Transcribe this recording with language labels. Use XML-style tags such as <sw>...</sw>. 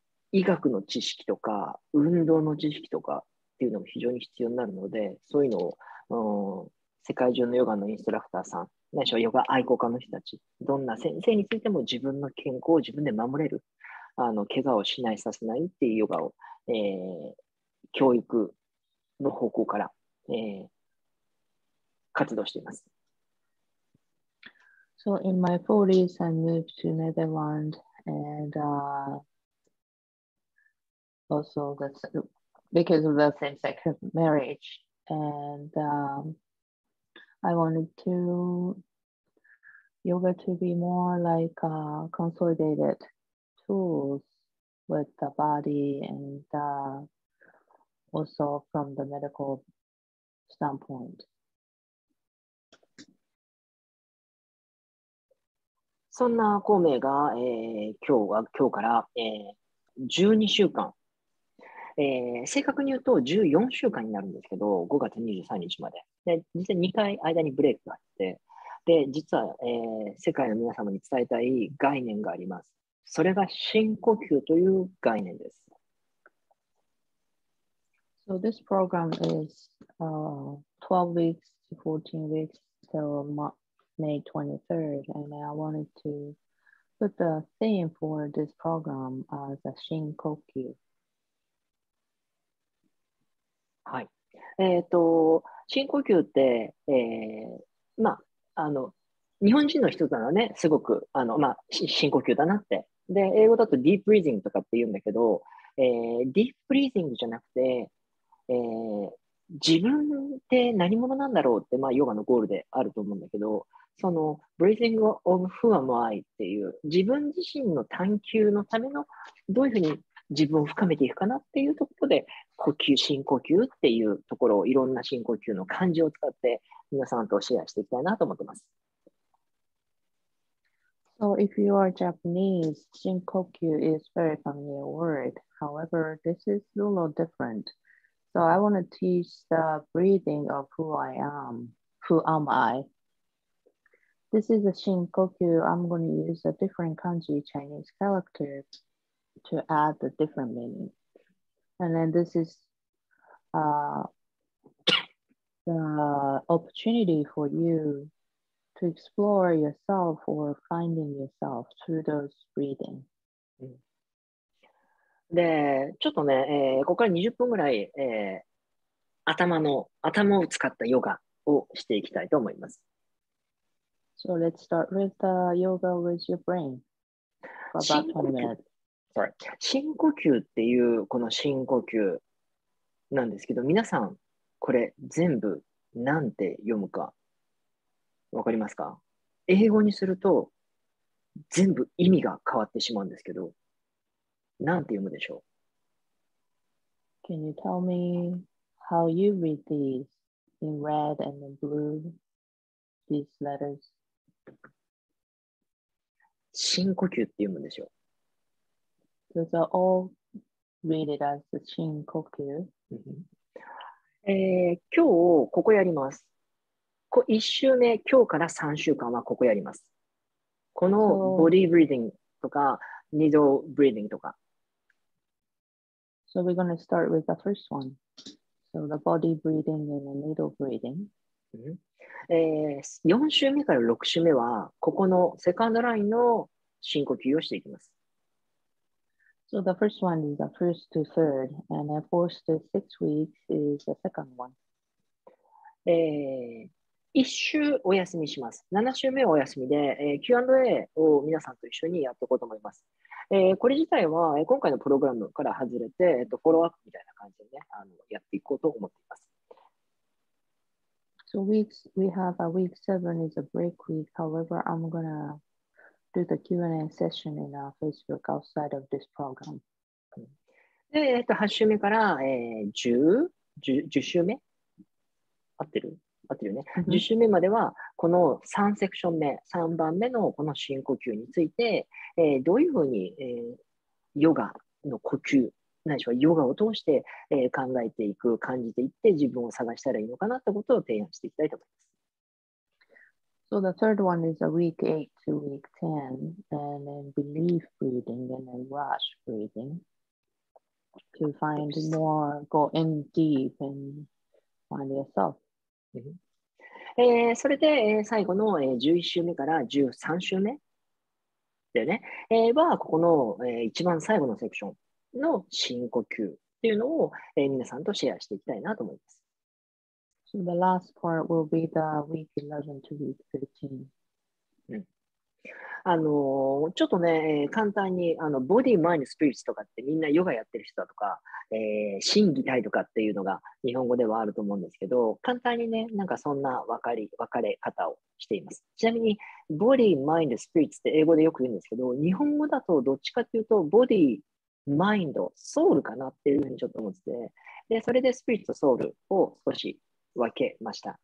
<ja>医学の知識とか運動の知識とかっていうのも非常に必要になるので、そういうのを世界中のヨガのインストラクターさん、ないしはヨガ愛好家の人たち、どんな先生についても自分の健康を自分で守れる、怪我をしないさせないっていうヨガを、教育の方向から、活動しています。</ja> <en>So in my 40s, I moved to Netherlands and also because of the same-sex marriage, and I wanted to yoga to be more like a consolidated tools with the body and also from the medical standpoint.</en> <ja>そんな孔明が、今日から、12週間、正確に言うと14週間になるんですけど、5月23日まで。で、実は2回間にブレイクがあって、で、実は、世界の皆様に伝えたい概念があります。それが深呼吸という概念です。</ja> <en>So this program is 12 weeks to 14 weeks till May 23rd, and I wanted to put the theme for this program as a Shinkoku.</en> <ja>はい。深呼吸って、まあ、日本人の人だね、すごく、まあ、深呼吸だなって。で、英語だとディープリーディングとかって言うんだけど、ディープリーディングじゃなくて、自分って何者なんだろうって、まあ、ヨガのゴールであると思うんだけど、その</ja> <en>breathing of who am I</en> <ja>っていう自分自身の探求のためのどういうふうに自分を深めていくかなっていうところで、呼吸、深呼吸っていうところを、いろんな深呼吸の漢字を使って皆さんとシェアしていきたいなと思ってます。</ja> <en>So if you are Japanese, 深呼吸 is very familiar word. However, this is a little different. So I want to teach the breathing of who I am. Who am I? This is a Shinkoku. I'm going to use a different kanji Chinese character to add the different meaning. And then this is the opportunity for you to explore yourself or finding yourself through those breathing.</en> <ja>で、ちょっとね、ここから20分ぐらい、頭を使ったヨガをしていきたいと思います。</ja> <en>So let's start with the yoga with your brain for about 20 minutes. Sorry.</en> <ja>深呼吸っていうこの深呼吸なんですけど、皆さんこれ全部なんて読むか、わかりますか？英語にすると、全部意味が変わってしまうんですけど、なんて読むでしょう？</ja> <en>Can you tell me how you read these in red and in blue, these letters?</en> <ja>深呼吸って読むんですよ。</ja> <en>So it's all read it as the 深呼吸。</en> <ja>今日ここやります。一週目、今日から三週間はここやります。このボディーブリーディングとか、ニードルブリーディングとか。</ja> <en>So we're going to start with the first one. So the body breathing and the needle breathing.、</en> <ja>4週目から6週目は、ここのセカンドラインの深呼吸をしていきます。</ja> <en>So the first one is the first to third, and the fourth to sixth weeks is the second one.、</en> <ja>1週お休みします。 7週目はお休みで、Q&A を皆さんと一緒にやっていこうと思います。これ自体は、今回のプログラムから外れて、フォローアップみたいな感じで、ね、やっていこうと思っています。</ja> <en>So weeks, we have a week 7 is a break week. However, I'm going to do the Q&A session in our Facebook outside of this program.</en> <ja>で、8週目から、10週目合ってるよね。 10週目まではこの3セクション目、3番目のこの深呼吸について、どういうふうに、ヨガの呼吸ないしはヨガを通して、考えていく、感じていって自分を探したらいいのかなってことを提案していきたいと思います。</ja> <en>So the third one is a week 8 to week 10 and then belief breathing and then rush breathing to find more, go in deep and find yoursel</en> <ja>それで、最後の、11週目から13週目だよね、はここの、一番最後のセクションの深呼吸っていうのを、皆さんとシェアしていきたいなと思います。</ja> <en>So the last part will be the week 11 to week 13.</en> <ja>ちょっとね、簡単にボディ、マインド、スピリッツとかってみんなヨガやってる人だとか、心技体とかっていうのが日本語ではあると思うんですけど、簡単にね、なんかそんな分かれ方をしています。ちなみに、ボディ、マインド、スピリッツって英語でよく言うんですけど、日本語だとどっちかっていうと、ボディ、マインド、ソウルかなっていうふうにちょっと思ってて、で、それでスピリッツとソウルを少し分けました。</ja>